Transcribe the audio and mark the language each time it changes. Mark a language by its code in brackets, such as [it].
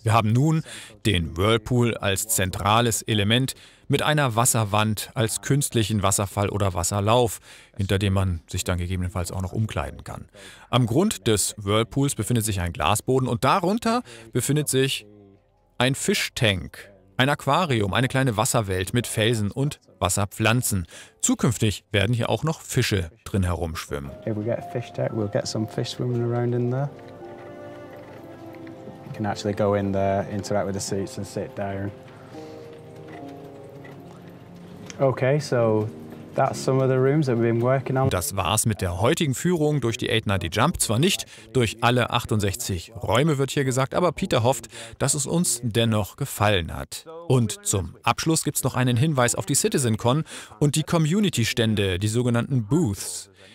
[de] Wir haben nun den Whirlpool als zentrales Element mit einer Wasserwand als künstlichen Wasserfall oder Wasserlauf, hinter dem man sich dann gegebenenfalls auch noch umkleiden kann. Am Grund des Whirlpools befindet sich ein Glasboden und darunter befindet sich ein Fischtank. Ein Aquarium, eine kleine Wasserwelt mit Felsen und Wasserpflanzen. Zukünftig werden hier auch noch Fische drin herumschwimmen. [en] Here we get a fish deck. We'll get some fish swimming around in there. You can actually go in there, interact with the seats and sit down. Okay, so that's some of the rooms that we've been working on. [de] Das war's mit der heutigen Führung durch die 890 Jump. Zwar nicht durch alle 68 Räume, wird hier gesagt, aber Peter hofft, dass es uns dennoch gefallen hat. Und zum Abschluss gibt's noch einen Hinweis auf die CitizenCon und die Community-Stände, die sogenannten Booths.